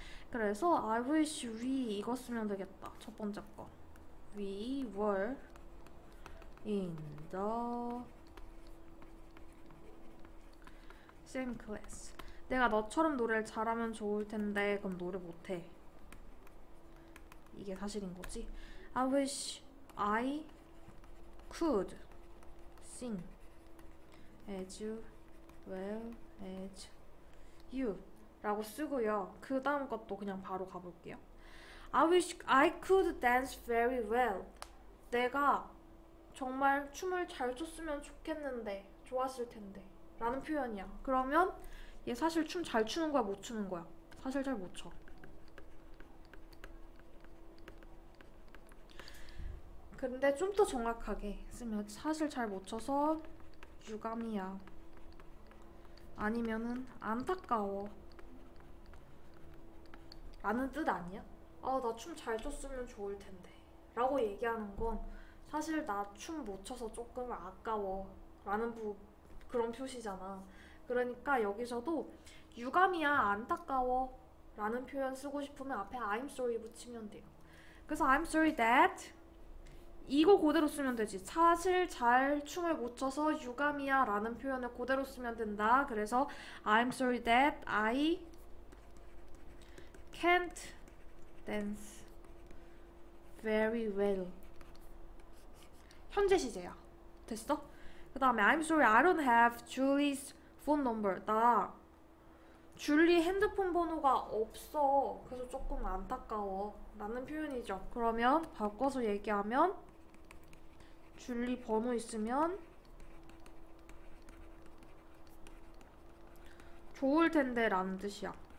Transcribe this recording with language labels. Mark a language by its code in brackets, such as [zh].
[ko] 그래서 [en] I wish we [ko] 이거 쓰면 되겠다. 첫 번째 거. [en] We were in the same class. [ko] 내가 너처럼 노래를 잘하면 좋을 텐데, 그럼 노래 못해. 이게 사실인 거지. [en] I wish I could sing as well as you [ko] 라고 쓰고요. 그 다음 것도 그냥 바로 가볼게요. [en] I wish I could dance very well. [ko] 내가 정말 춤을 잘 췄으면 좋겠는데, 좋았을 텐데. 라는 표현이야. 그러면 얘 사실 춤잘 추는 거야, 못 추는 거야? 사실 잘못 춰. 근데 좀더 정확하게 쓰면 사실 잘못 춰서 유감이야. 아니면은 안타까워. 라는 뜻 아니야? 아, 나춤잘 췄으면 좋을 텐데. 라고 얘기하는 건 사실 나춤못 춰서 조금 아까워. 라는 그런 표시잖아. 그러니까 여기서도 유감이야, 안타까워. 라는 표현 쓰고 싶으면 앞에 I'm sorry 붙이면 돼요. 그래서 [en] I'm sorry that. [ko] 이거 그대로 쓰면 되지. 사실 잘 춤을 못 춰서 유감이야. 라는 표현을 그대로 쓰면 된다. 그래서 [en] I'm sorry that I can't dance very well. [ko] 현재 시제야. 됐어? 그 다음에 [en] I'm sorry, I don't have Julie's phone number. [ko] 나 줄리 핸드폰 번호가 없어. 그래서 조금 안타까워. 라는 표현이죠. 그러면 바꿔서 얘기하면 줄리 번호 있으면 좋을 텐데 라는 뜻이야.